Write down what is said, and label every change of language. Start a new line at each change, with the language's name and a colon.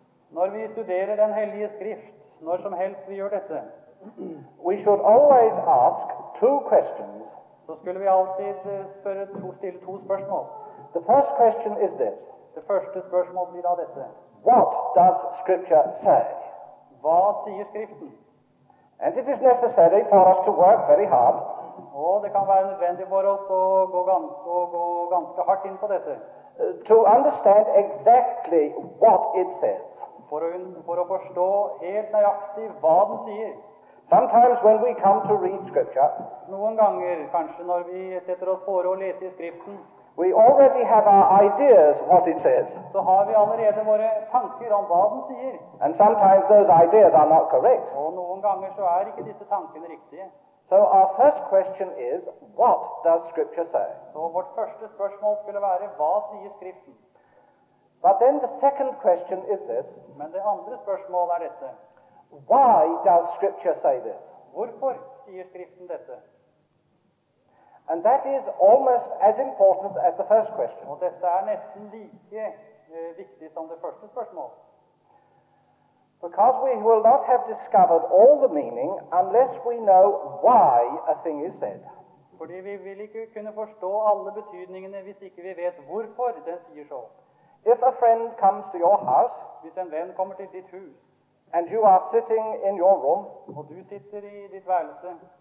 Norwegian: når vi studerer den hellige skrift, når som helst vi gjør dette,
English: we should always ask two questions.
Norwegian: Så skulle vi alltid stille to spørsmål.
English: The first question is this.
Norwegian: Det første spørsmålet blir da dette.
English: What does Scripture say?
Norwegian: Hva sier Skriften?
English: And it is necessary for us to work very hard.
Norwegian: Og det kan være nødvendig for oss å gå ganske hardt inn på dette.
English: To understand exactly what it says.
Norwegian: For å forstå helt nøyaktig hva den sier.
English: Sometimes when we come to read Scripture,
Norwegian: noen ganger, kanskje når vi setter oss for å lese i Skriften,
English: we already have our ideas what it says.
Norwegian: Så har vi allerede våre tanker om hva den sier.
English: And sometimes those ideas are not correct.
Norwegian: Og noen ganger så ikke disse tankene riktige.
English: So our first question is, what does Scripture say?
Norwegian: Så vårt første spørsmål skulle være, hva sier Skriften?
English: But then the second question is this.
Norwegian: Men det andre spørsmålet dette.
English: Why does Scripture say this?
Norwegian: Hvorfor sier Skriften dette?
English: And that is almost as important as the first question.
Norwegian: Og dette nesten like viktig som det første spørsmålet.
English: Because we will not have discovered all the meaning unless we know why a thing is said.
Norwegian: Fordi vi vil ikke kunne forstå alle betydningene hvis ikke vi vet hvorfor den sier så.
English: If a friend comes to your house,
Norwegian: hvis en venn kommer til ditt hus,
English: and you are sitting in your room,
Norwegian: og du sitter i ditt værelse,